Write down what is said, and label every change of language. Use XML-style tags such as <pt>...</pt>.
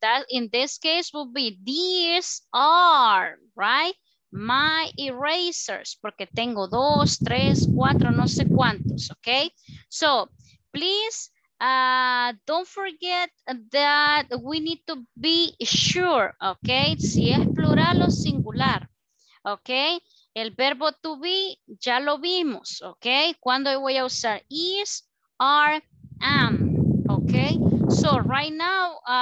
<en>In this case will be these are, right? My erasers,</en> <es>porque tengo dos, tres, cuatro, no sé cuántos, okay?</es> <en>So, please don't forget that we need to be sure, okay?</en> <es>Si es plural o singular. Ok, el verbo to be ya lo vimos, ok, cuando voy a usar is, are, am, ok,</es> <en>so right now</en>